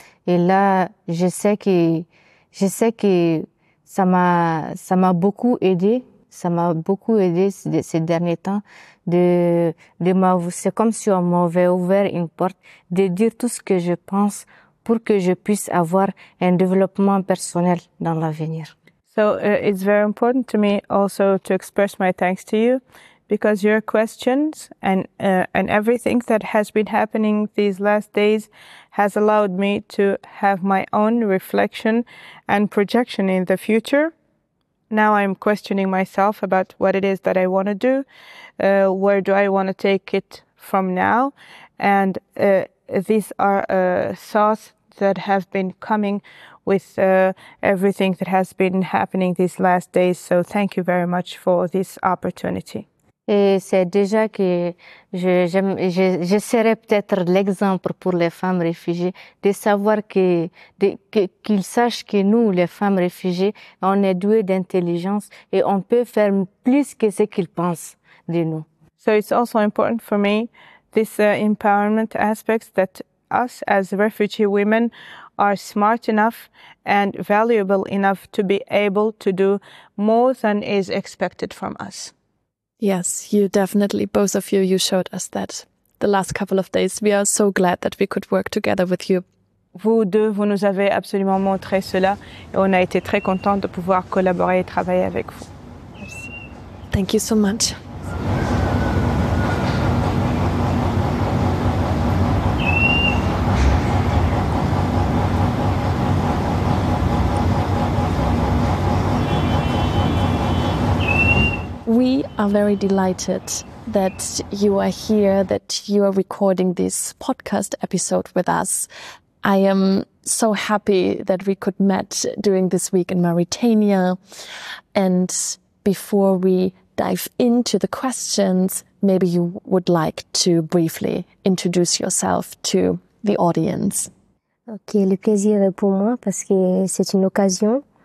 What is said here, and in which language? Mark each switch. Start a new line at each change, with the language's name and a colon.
French: Et là, je sais que ça m'a beaucoup aidé. Ça m'a beaucoup aidé ces derniers temps c'est comme si on m'avait ouvert une porte de dire tout ce que je pense pour que je puisse avoir un développement personnel dans l'avenir.
English: So, it's very important to me also to express my thanks to you. Because your questions and everything that has been happening these last days has allowed me to have my own reflection and projection in the future. Now I'm questioning myself about what it is that I want to do, where do I want to take it from now. And these are thoughts that have been coming with everything that has been happening these last days. So thank you very much for this opportunity.
French: Et c'est déjà que je serai peut-être l'exemple pour les femmes réfugiées de savoir qu'ils sachent que nous, les femmes réfugiées, on est douées d'intelligence et on peut faire plus que ce qu'ils pensent de nous.
English: So it's also important for me, this empowerment aspect that us as refugee women are smart enough and valuable enough to be able to do more than is expected from us. Yes, you definitely, both of you, you showed us that the last couple of days. We are so glad that we could work together with you.
French: Vous deux, vous nous avez absolument montré cela et on a été très contents de pouvoir collaborer et travailler avec vous. Merci.
English: Thank you so much. We are very delighted that you are here, that you are recording this podcast episode with us. I am so happy that we could meet during this week in Mauritania. And before we dive into the questions, maybe you would like to briefly introduce yourself to the audience.
French: Okay, le plaisir est pour moi parce que c'est une occasion.